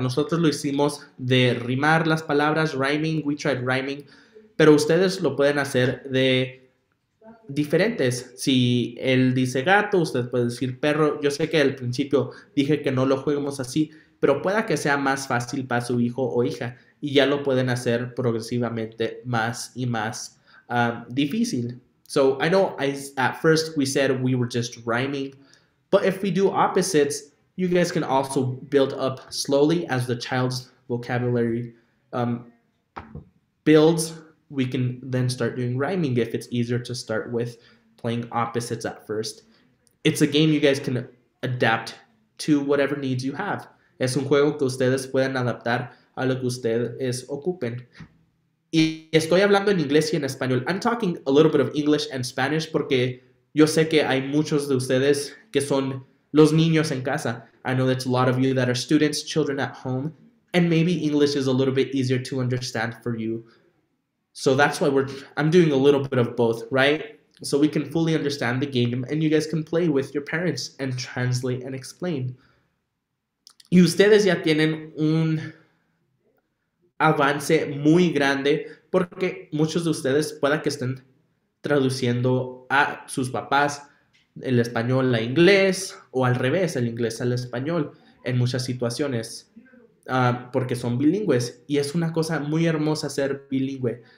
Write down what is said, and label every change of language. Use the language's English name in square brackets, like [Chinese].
[Spanish] Nosotros lo hicimos de rimar las palabras, [English] rhyming, we tried rhyming, [Spanish] pero ustedes lo pueden hacer de diferentes. Si él dice gato, usted puede decir perro. Yo sé que al principio dije que no lo juguemos así, pero pueda que sea más fácil para su hijo o hija, y ya lo pueden hacer progresivamente más y más difícil. [English] So I know at first we said we were just rhyming, but if we do opposites, you guys can also build up slowly as the child's vocabulary builds. We can then start doing rhyming if it's easier to start with playing opposites at first. It's a game you guys can adapt to whatever needs you have. [Spanish] Es un juego que ustedes pueden adaptar a lo que ustedes ocupen. Y estoy hablando en inglés y en español. [English] I'm talking a little bit of English and Spanish [Spanish] porque yo sé que hay muchos de ustedes que son los niños en casa. [English] I know that's a lot of you that are students, children at home. And maybe English is a little bit easier to understand for you. So that's why I'm doing a little bit of both, right? So we can fully understand the game and you guys can play with your parents and translate and explain. [Spanish] Y ustedes ya tienen un avance muy grande porque muchos de ustedes pueda que estén traduciendo a sus papás el español a inglés o al revés, el inglés al español en muchas situaciones porque son bilingües y es una cosa muy hermosa ser bilingüe.